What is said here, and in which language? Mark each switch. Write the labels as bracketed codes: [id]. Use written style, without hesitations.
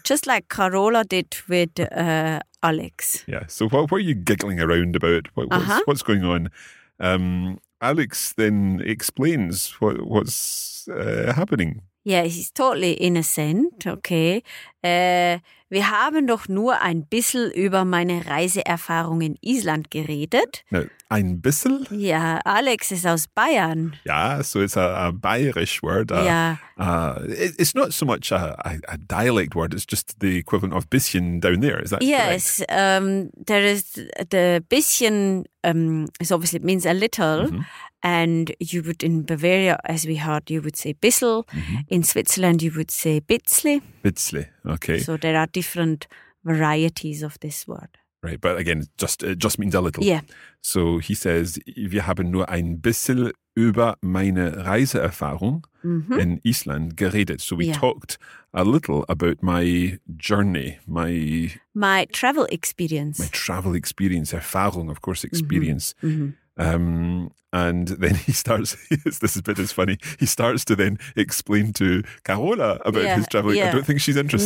[en] Just like Carola did with Alex. Yeah. So what are you giggling around about? What's going on? Alex then explains what's happening. Yeah, he's totally innocent. Okay. [de] Wir haben doch nur ein bisschen über meine Reiseerfahrung in Island geredet. [en] Now, ein bisschen? [de] Ja, Alex ist aus Bayern. [en] Ja, so it's a bayerisch word. It's not so much a dialect word, it's just the equivalent of bisschen down there, is that yes, correct? Yes, there is the bisschen, is obviously it means a little, and you would in Bavaria, as we heard, you would say bissel. In Switzerland, you would say bitzli. Bitzli, okay. So there are different varieties of this word. Right, but again, it just means a little. Yeah. So he says, [de] wir haben nur ein bisschen über meine Reiseerfahrung in Island geredet. [en] So we talked a little about my journey, my travel experience. My travel experience, Erfahrung, of course, experience. And then he starts, this bit is funny, he starts to then explain to Carola about his travel. Yeah. I don't think she's interested.